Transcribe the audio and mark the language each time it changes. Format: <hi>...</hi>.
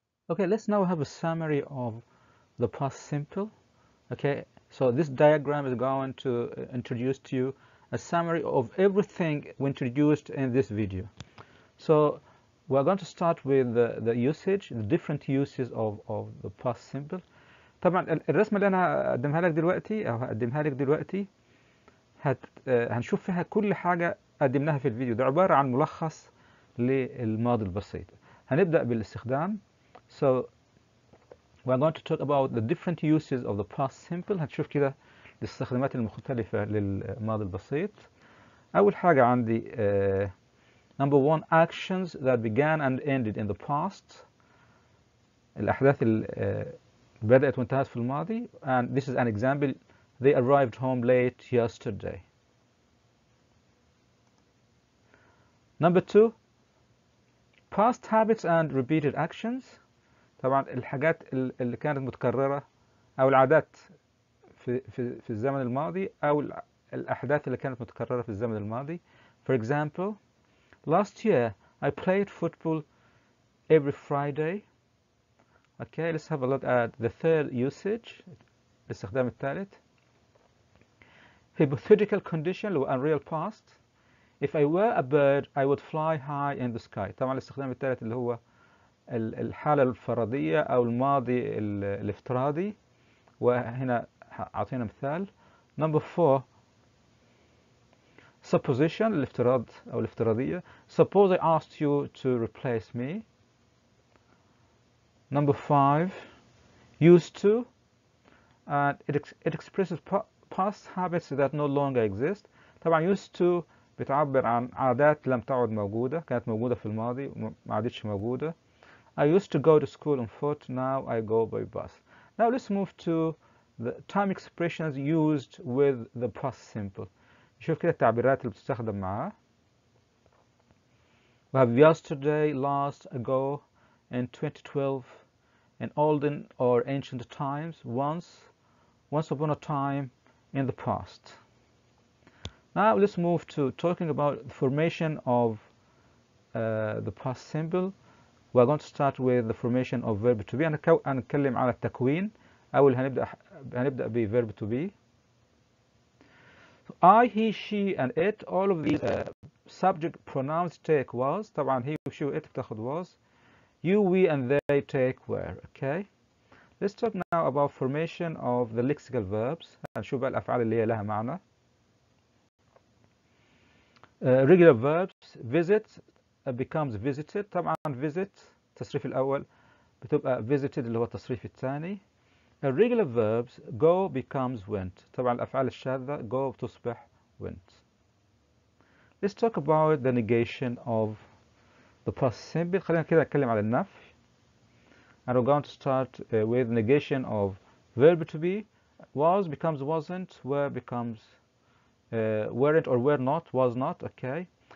<en>Okay, let's now have a summary of the past simple. Okay, so this diagram is going to introduce to you a summary of everything we introduced in this video. So we're going to start with the usage, the different uses of the past simple.</en> <ar>طبعا الرسمة اللي أنا هقدمها لك دلوقتي أو هقدمها لك دلوقتي هنشوف فيها كل حاجة قدمناها في الفيديو. ده عبارة عن ملخص للماضي البسيط. هنبدأ بالاستخدام.</ar> <en>So we're going to talk about the different uses of the past simple.</en> <ar>هتشوف كده الاستخدامات المختلفة للماضي البسيط. أول حاجة عندي</ar> <en>number one, actions that began and ended in the past.</en> <ar>الأحداث اللي بدأت وانتهت في الماضي.</ar> <en>And this is an example. They arrived home late yesterday. Number two, past habits and repeated actions.</en> <ar>طبعا الحاجات اللي كانت متكررة أو العادات في الزمن الماضي أو الأحداث اللي كانت متكررة في الزمن الماضي.</ar> <en>For example, last year I played football every Friday. Okay, let's have a look at the third usage.</en> <ar>الاستخدام الثالث.</ar> <en>hypothetical condition</en> <ar>اللي هو</ar> <en>unreal past. If I were a bird, I would fly high in the sky.</en> <ar>طبعا الاستخدام الثالث اللي هو الحالة الفردية أو الماضي الافتراضي. وهنا أعطينا مثال.</ar> <en>Number four, supposition,</en> <ar>الافتراض أو الافتراضية.</ar> <en>Suppose I asked you to replace me. Number five, used to. It expresses past habits that no longer exist.</en> <ar>طبعا used to بتعبر عن عادات لم تعد موجودة، كانت موجودة في الماضي وما عادتش موجودة.</ar> <en>I used to go to school on foot, now I go by bus. Now let's move to the time expressions used with the past simple.</en> <ar>نشوف كده التعبيرات اللي بتستخدم معاه.</ar> <en>We have yesterday, last, ago, in 2012, in olden or ancient times, once upon a time, in the past. Now let's move to talking about the formation of the past simple. We're going to start with the formation of verb to be.</en> <ar>هنتكلم على التكوين. أول هنبدأ بـ</ar> <en>verb to be. So I, he, she, and it, all of these subject pronouns take was. طبعا he, she, it بتاخد was. You, we, and they take were. Okay. Let's talk now about formation of the lexical verbs.</en> <ar>هنشوف بقى الأفعال اللي هي لها معنى.</ar> <en>Regular verbs, visit becomes visited.</en> <ar>طبعا visit التصريف الأول بتبقى visited اللي هو التصريف الثاني.</ar> <en>Regular verbs, go becomes went.</en> <ar>طبعا الأفعال الشاذة go بتصبح went.</ar> <en>Let's talk about the negation of the past simple.</en> <ar>خلينا كده نتكلم على النفي.</ar> <en>And we're going to start with negation of verb to be. Was becomes wasn't, were becomes weren't or were not, was not, okay.</en>